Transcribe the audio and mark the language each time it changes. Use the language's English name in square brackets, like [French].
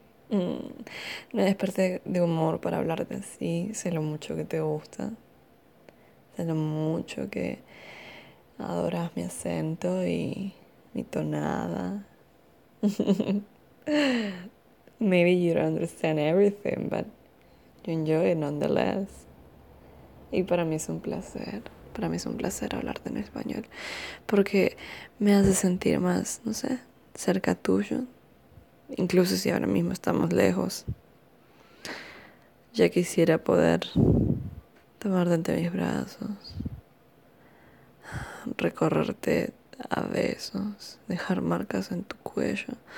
[Spanish] Me desperté de humor para hablar de ti. Sé lo mucho que te gusta. Sé lo mucho que adoras mi acento y mi tonada. [English] Maybe you don't understand everything, but you enjoy it nonetheless. [Spanish] Y para mí es un placer, para mí es un placer hablarte en español, porque me hace sentir más, no sé, cerca tuyo, incluso si ahora mismo estamos lejos. Ya quisiera poder tomarte entre mis brazos, recorrerte a besos, dejar marcas en tu cuello.